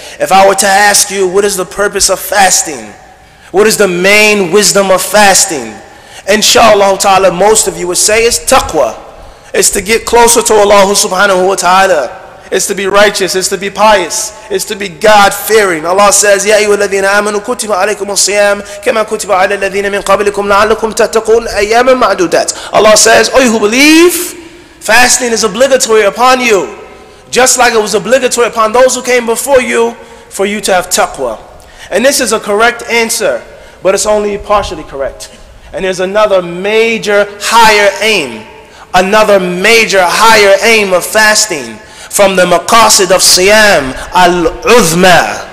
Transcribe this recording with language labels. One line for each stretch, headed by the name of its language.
English: If I were to ask you, what is the purpose of fasting? What is the main wisdom of fasting? Inshallah ta'ala, most of you would say it's taqwa. It's to get closer to Allah subhanahu wa ta'ala. It's to be righteous, it's to be pious, it's to be God-fearing. Allah says,
Arabic: يَا أَيُّهَا الَّذِينَ آمَنُوا كُتِبَ عَلَيْكُمُ الصِّيَامُ كَمَا كُتِبَ عَلَى الَّذِينَ مِنْ قَبْلِكُمْ لَعَلَّكُمْ تَتَّقُونَ أَيَّامًا مَعْدُودَاتٍ.
English: Allah says, oh, you who believe, fasting is obligatory upon you, just like it was obligatory upon those who came before you, for you to have taqwa. And this is a correct answer, but it's only partially correct. And there's another major higher aim, another major higher aim of fasting, from the maqasid of siyam al-udhma.